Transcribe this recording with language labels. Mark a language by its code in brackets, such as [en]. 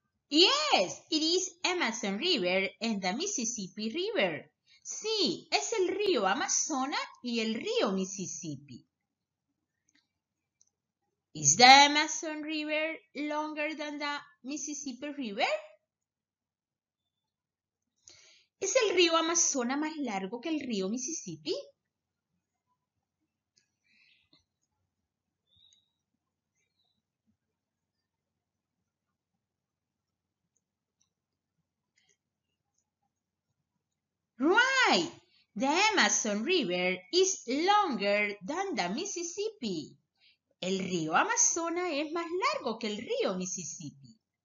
[en] Yes, it is Amazon River and the Mississippi River. [es] Sí, es el río Amazonas y el río Mississippi. [en] Is the Amazon River longer than the Mississippi River? [es] ¿Es el río Amazonas más largo que el río Mississippi? [en] Right! The Amazon River is longer than the Mississippi. [es] El río Amazonas es más largo que el río Mississippi.